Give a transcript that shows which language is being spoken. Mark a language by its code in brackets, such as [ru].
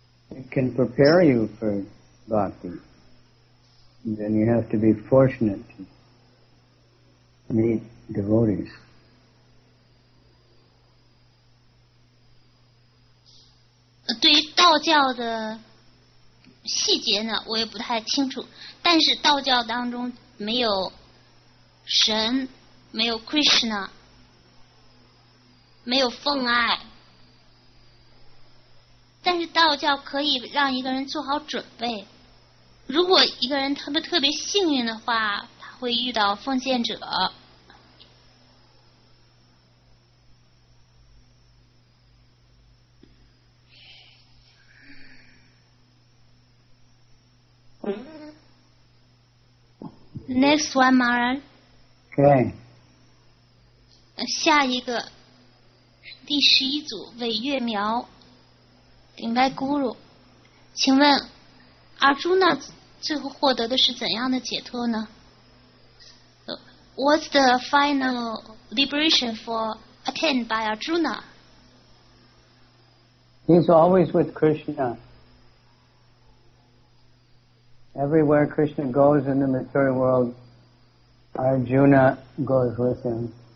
[en] It can prepare you for Bhakti. Then you have to be fortunate to meet devotees. [zh] 对于道教的细节呢，我也不太清楚。但是道教当中没有神，没有 Krishna， 没有奉爱。但是道教可以让一个人做好准备。如果一个人特别幸运的话，他会遇到奉献者。 [en] Next one, Maran. Okay. [zh] 下一个，第十一组韦月苗，顶拜咕噜，请问阿朱那最后获得的是怎样的解脱呢？ [en] What's the final liberation for attained by Arjuna? He's always with Krishna. Everywhere Krishna goes in the material world, Arjuna goes with him.